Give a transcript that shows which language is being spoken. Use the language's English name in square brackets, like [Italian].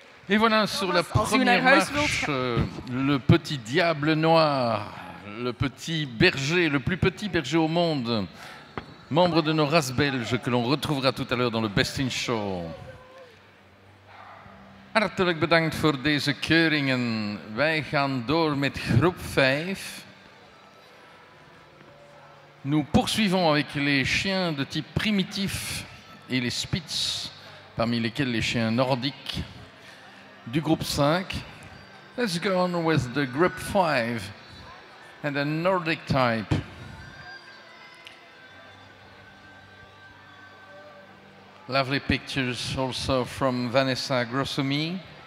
[French] Et voilà sur la première marche, le petit diable noir, le petit berger, le plus petit berger au monde, membre de nos races belges que l'on retrouvera tout à l'heure dans le Best in Show. [Dutch] Hartelijk bedankt voor deze keuringen. Wij gaan door met groep 5. [French] Nous poursuivons avec les chiens de type primitif et les spitz, parmi lesquels les chiens nordiques. Du groupe 5. [English] Let's go on with the group 5 and a Nordic type. Lovely pictures also from Vanessa Grossomi.